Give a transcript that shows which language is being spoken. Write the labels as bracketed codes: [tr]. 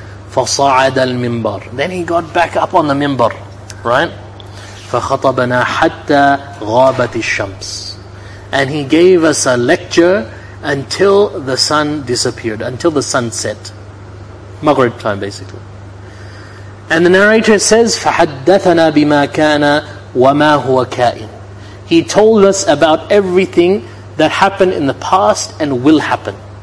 [ar] فَصَعَدَ الْمِنْبَرِ. [en] Then he got back up on the minbar, right? [ar] فَخَطَبَنَا حَتَّى غَابَتِ الشَّمْسِ. [en] And he gave us a lecture until the sun disappeared, until the sun set. Maghrib time, basically. And the narrator says, [ar] فَحَدَّثَنَا بِمَا كَانَ وَمَا هُوَ كَائِنَ. [en] He told us about everything that happened in the past and will happen.